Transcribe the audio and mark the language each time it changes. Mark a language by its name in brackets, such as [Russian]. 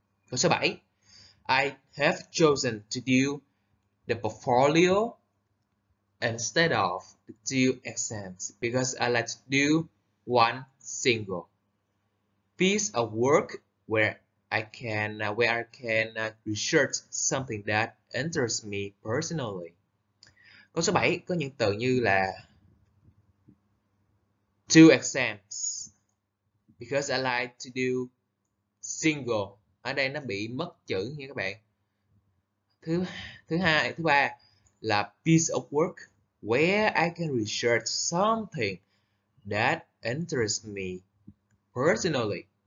[Vietnamese] Câu số 7, [English] I have chosen to do the portfolio instead of the two exams because I like to do one single piece of work where I can research something that interests me personally. [Vietnamese] Câu số 7 có những từ như là [English] two exams because I like to do single. [Vietnamese] Ở đây nó bị mất chữ nha các bạn. Thứ ba là [English] piece of work where I can research something that interests me personally.